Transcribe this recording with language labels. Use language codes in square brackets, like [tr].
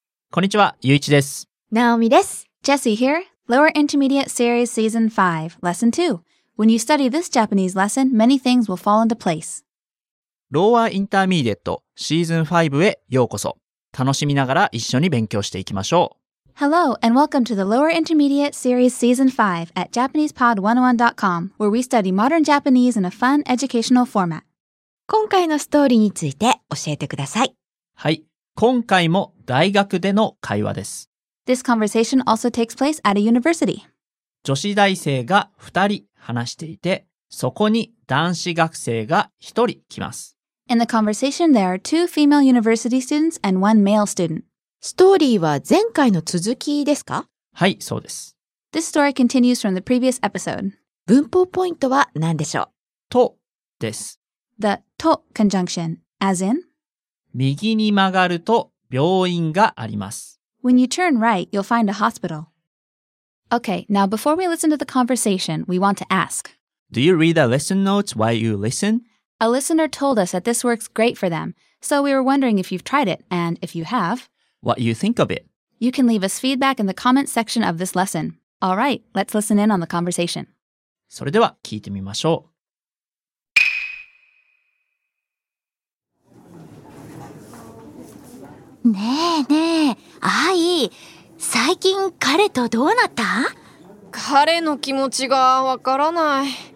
[ja] こんにちは、ゆういちです。ナオミです。 [en] Jesse here. Lower Intermediate Series Season 5, Lesson 2. When you study this Japanese lesson, many things will fall into place. [ja] Lower Intermediate Season 5 へようこそ。楽しみながら一緒に勉強していきましょう。 [en] Hello, and welcome to the Lower Intermediate Series Season 5 at JapanesePod101.com, where we study modern Japanese in a fun, educational format. [ja] 今回のストーリーについて教えてください。はい。今回も大学での会話です。 [en] This conversation also takes place at a university. [ja] 女子大生が2人話していて、そこに男子学生が1人来ます。 [en] In the conversation, there are two female university students and one male student. [ja] ストーリーは前回の続きですか？はい、そうです。 [en] This story continues from the previous episode. [ja] 文法ポイントは何でしょう？とです。 [en] The to conjunction, as in? [ja] 右に曲がると病院があります。 [en] When you turn right, you'll find a hospital. Okay, now before we listen to the conversation, we want to ask. Do you read the lesson notes while you listen? A listener told us that this works great for them, so we were wondering if you've tried it, and if you have, what you think of it? You can leave us feedback in the comments section of this lesson. All right, let's listen in on the conversation. [ja] それでは聞いてみましょう。ねえねえ、アイ、最近彼とどうなった？彼の気持ちがわからない。